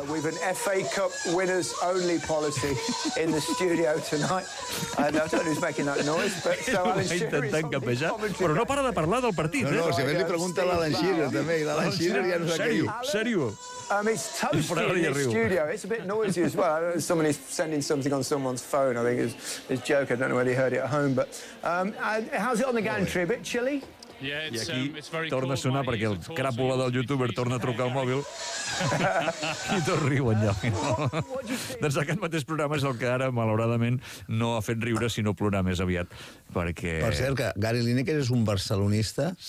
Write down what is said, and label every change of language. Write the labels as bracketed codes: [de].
[en] We've an FA Cup winners only policy in the studio tonight. I don't know who's making that noise, but so Alan Shearer... [ca] Però no para de parlar del partit, No, si a més li pregunta a l'Alan Shearer, també, i l'Alan Shearer ja no s'ha caigut. Sèrio? [en] It's toasty in the studio. It's a bit noisy as well. I don't know, somebody's sending something on someone's phone. I think it's a joke. I don't know whether he heard it at home. But how's it on the gantry? A bit chilly? Yeah, [ca] i aquí torna a sonar cool, perquè el cràpula del youtuber torna a trucar al mòbil i tot riuen ja. Doncs aquest mateix programa és el que ara, malauradament, no ha fet riure, sinó plorar més aviat. Perquè... Per cert, que Gary Lineker és un barcelonista...